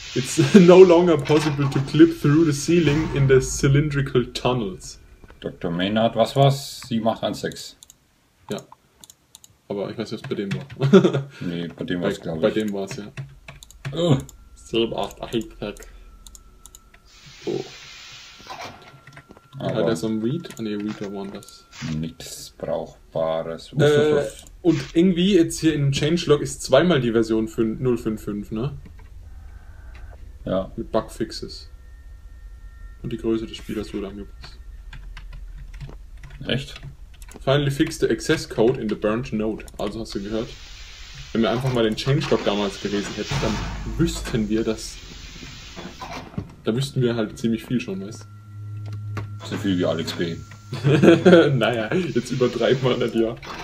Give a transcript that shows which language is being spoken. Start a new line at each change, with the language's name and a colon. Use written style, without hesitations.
English: It's no longer possible to clip through the ceiling in the cylindrical tunnels.
German: Dr. Maynard, was war's? Sie macht 1-6. Ja. Aber ich weiß nicht, was bei dem war. Nee, bei dem war es, glaube ich. Bei dem war es, ja. 7-8-8-8. Oh. Hat er so ein Weed? Ah, nee, Weed war woanders. Nichts Brauchbares. Und irgendwie jetzt hier in Changelog ist zweimal die Version 055, ne? Ja. Mit Bugfixes. Und die Größe des Spielers wurde angepasst. Echt?
English: Finally fixed the access code in the burnt note.
German: Also hast du gehört. Wenn wir einfach mal den Changelog damals gelesen hätten, dann wüssten wir, dass. Da wüssten wir halt ziemlich viel schon, weißt du? So viel wie Alex B. Naja, jetzt übertreib mal nicht, ja.